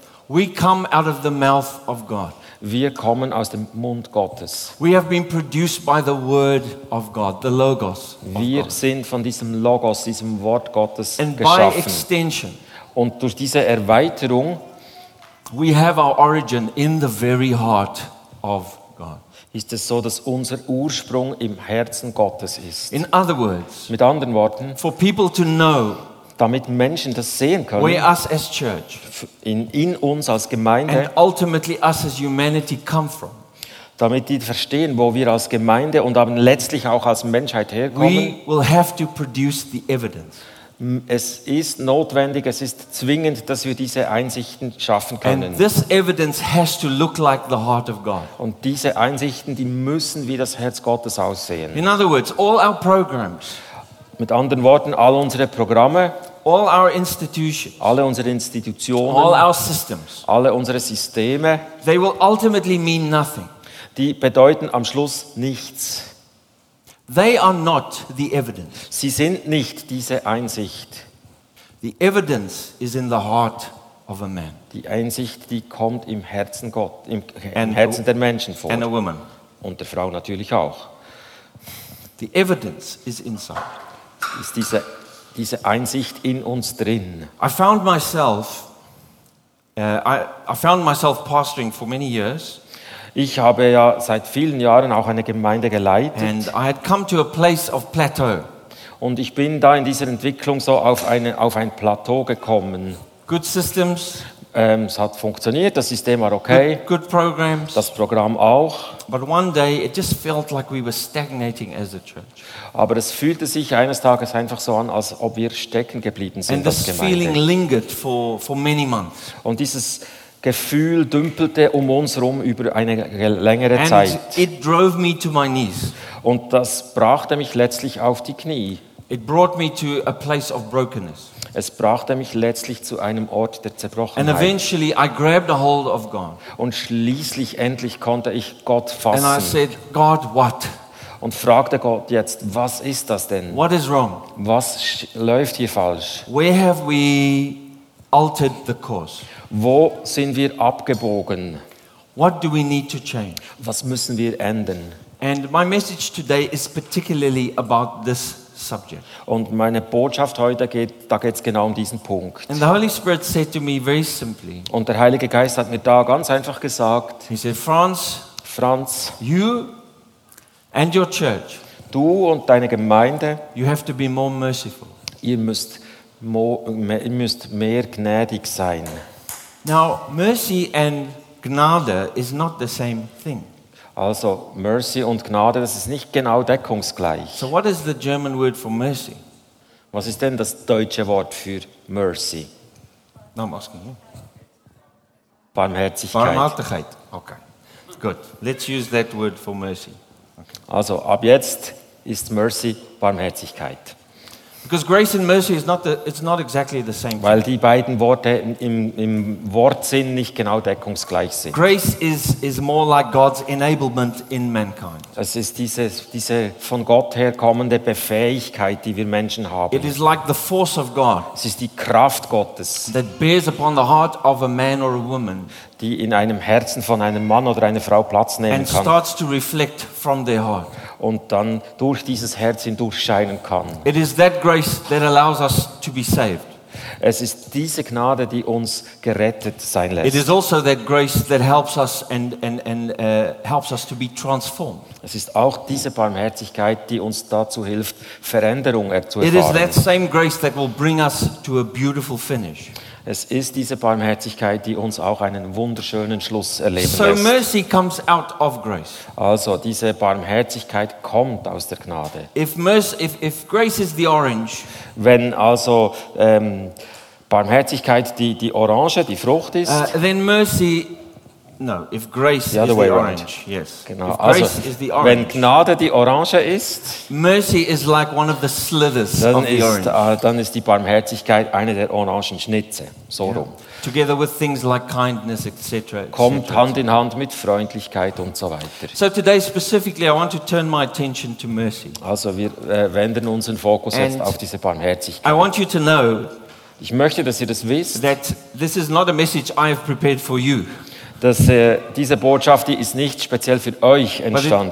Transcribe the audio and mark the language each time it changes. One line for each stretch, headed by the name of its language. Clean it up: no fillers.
English: We come out of the mouth of God.
German: Wir kommen aus dem Mund Gottes.
English: We have been produced by the word of God, the logos.
German: Wir sind von diesem Logos, diesem Wort Gottes
English: and
German: geschaffen.
English: By extension,
German: und durch diese Erweiterung,
English: we have our origin in the very heart of God.
German: Ist es so, dass unser Ursprung im Herzen Gottes ist.
English: In other words,
German: mit anderen Worten,
English: for people to know,
German: damit Menschen das sehen können,
English: where us as church,
German: in uns als Gemeinde,
English: and ultimately us as humanity come from,
German: damit die verstehen, wo wir als Gemeinde und dann letztlich auch als Menschheit herkommen,
English: we will have to produce the evidence.
German: Es ist notwendig, es ist zwingend, dass wir diese Einsichten schaffen können.
English: And this evidence has to look like the heart of God.
German: Und diese Einsichten, die müssen wie das Herz Gottes aussehen.
English: In other words, all our programs,
German: mit anderen Worten, all unsere Programme,
English: all our institutions,
German: alle unsere Institutionen,
English: all our systems,
German: alle unsere Systeme,
English: they will ultimately mean nothing.
German: Die bedeuten am Schluss nichts.
English: They are not the evidence.
German: Sie sind nicht diese Einsicht.
English: The evidence is in the heart of a man.
German: Die Einsicht, die kommt im Herzen Gott, im Herzen der Menschen vor.
English: And a woman.
German: Und der Frau natürlich auch.
English: The evidence is inside.
German: Ist diese Einsicht in uns drin.
English: I found myself I found myself pastoring for many years.
German: Ich habe ja seit vielen Jahren auch eine Gemeinde geleitet.
English: And I had come to a place of plateau.
German: Und ich bin da in dieser Entwicklung so auf ein Plateau gekommen.
English: Good systems.
German: Es hat funktioniert, das System war okay.
English: Good programs.
German: Das Programm auch.
English: But one day it just felt like we were stagnating as a church.
German: Aber es fühlte sich eines Tages einfach so an, als ob wir stecken geblieben sind.
English: And this feeling lingered for many months.
German: Und dieses Gefühl dümpelte um uns herum über eine längere Zeit.
English: And it drove me to my knees.
German: Und das brachte mich letztlich auf die Knie.
English: It brought me to a place of brokenness.
German: Es brachte mich letztlich zu einem Ort der Zerbrochenheit.
English: And eventually I grabbed a hold of God.
German: Und schließlich endlich konnte ich Gott fassen.
English: And I said, God, what?
German: Und fragte Gott jetzt, was ist das denn?
English: What is wrong?
German: Was läuft hier falsch?
English: Where have we altered the course?
German: Wo sind wir abgebogen?
English: What do we need to change?
German: Was müssen wir ändern?
English: And my message today is particularly about this subject.
German: Und meine Botschaft heute geht's genau um diesen Punkt.
English: And the Holy Spirit said to me very simply.
German: Und der Heilige Geist hat mir da ganz einfach gesagt.
English: He said, Franz, you and your church.
German: Du und deine Gemeinde.
English: You have to be more merciful.
German: Ihr müsst mehr gnädig sein.
English: Now, mercy and Gnade is not the same thing.
German: Also Mercy und Gnade, das ist nicht genau deckungsgleich.
English: So what is the German word for mercy?
German: Was ist denn das deutsche Wort für Mercy?
English: No, I'm asking you.
German: Barmherzigkeit.
English: Barmhartigkeit. Okay. Good. Let's use that word for mercy. Okay.
German: Also ab jetzt ist Mercy Barmherzigkeit.
English: Because grace and mercy is not it's not exactly the same.
German: Weil die beiden Worte im Wortsinn nicht genau deckungsgleich sind.
English: Grace is more like God's enablement in mankind.
German: Es ist diese von Gott herkommende Befähigkeit, die wir Menschen haben.
English: It is like the force of God.
German: Es ist die Kraft Gottes.
English: That bears upon the heart of a man or a woman.
German: Die in einem Herzen von einem Mann oder einer Frau Platz nehmen
English: and
German: kann.
English: And starts to reflect from their heart.
German: Und dann durch dieses Herz hindurch scheinen kann.
English: It is that grace that allows us to be saved.
German: Es ist diese Gnade, die uns gerettet sein lässt.
English: It is also that grace that helps us helps us to be transformed.
German: Es ist auch diese Barmherzigkeit, die uns dazu hilft, Veränderung zu erfahren.
English: It is that same grace that will bring us to a beautiful finish.
German: Es ist diese Barmherzigkeit, die uns auch einen wunderschönen Schluss erleben lässt.
English: So mercy comes out of grace.
German: Also diese Barmherzigkeit kommt aus der Gnade.
English: If grace is the orange,
German: wenn also Barmherzigkeit die Orange, die Frucht ist,
English: then mercy, no, if grace the other is way the orange, right. Yes.
German: Genau.
English: If grace
German: also,
English: is the orange,
German: wenn Gnade die Orange ist,
English: mercy is like one of the slivers of the orange.
German: Dann ist die Barmherzigkeit eine der Orangenschnitze, so rum.
English: Together with things like kindness, etc.
German: Kommt Hand in Hand mit Freundlichkeit und so weiter.
English: So today specifically, I want to turn my attention to mercy.
German: Also wir wenden unseren Fokus jetzt auf diese Barmherzigkeit.
English: I want you to know.
German: Ich möchte, dass ihr das wisst.
English: That this is not a message I have prepared for you.
German: Dass diese Botschaft, die ist nicht speziell für euch entstanden.